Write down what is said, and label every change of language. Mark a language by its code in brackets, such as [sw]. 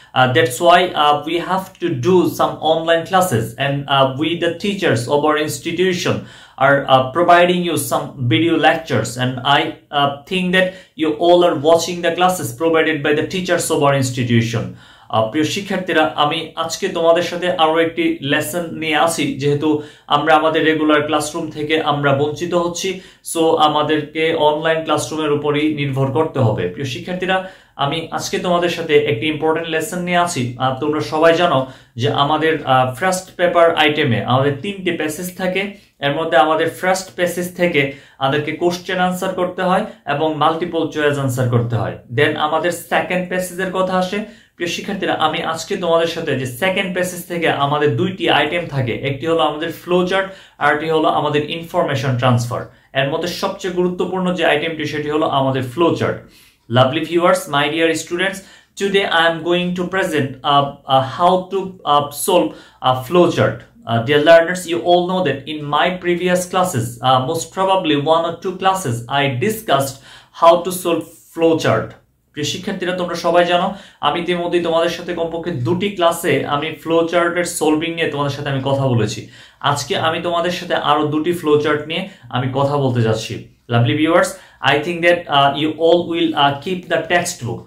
[en] That's why we have to do some online classes, and we the teachers of our institution are providing you some video lectures, and I think that you all are watching the classes provided by the teachers of our institution. [bn] প্রিয় শিক্ষার্থীরা, আমি আজকে তোমাদের সাথে আরো একটি lesson নিয়ে আসি, যেহেতু আমরা আমাদের রেগুলার ক্লাসরুম থেকে আমরা বঞ্চিত হচ্ছি, সো আমাদেরকে অনলাইন ক্লাসরুমের উপরই নির্ভর করতে হবে। প্রিয় শিক্ষার্থীরা, আমি আজকে তোমাদের সাথে একটি ইম্পর্টেন্ট লেসন নিয়ে আসি। তোমরা সবাই জানো যে আমাদের ফার্স্ট পেপার আইটেমে আমাদের তিনটি প্যাসেজ থাকে, এর মধ্যে আমাদের ফার্স্ট প্যাসেজ থেকে আমাদেরকে কোশ্চেন আনসার করতে হয় এবং মাল্টিপল চয়েস আনসার করতে হয়। দেন আমাদের সেকেন্ড প্যাসেজের কথা আসে। প্রিয় শিক্ষার্থীরা, আমি আজকে তোমাদের সাথে যে সেকেন্ড প্যাসেজ থেকে আমাদের দুইটি আইটেম থাকে, একটি হলো আমাদের ফ্লো চার্ট, আরটি হলো আমাদের ইনফরমেশন ট্রান্সফার। এর মধ্যে সবচেয়ে গুরুত্বপূর্ণ যে আইটেমটি সেটি হলো আমাদের flow chart. [en] Lovely viewers, my dear students, today I am going to present how to solve a flow chart. Dear learners, you all know that in my previous classes, most probably one or two classes, I discussed how to solve flowchart. [bn] প্রিয় শিক্ষার্থীরা, তোমরা সবাই জানো আমি ইতিমধ্যেই তোমাদের সাথে কমপক্ষে দুটি ক্লাসে আমি ফ্লোচার্টের সলভিং নিয়ে তোমাদের সাথে আমি কথা বলেছি। আজকে আমি তোমাদের সাথে আরো দুটি ফ্লোচার্ট নিয়ে আমি কথা বলতে যাচ্ছি। [en] Lovely viewers, I think that you all will keep the text book.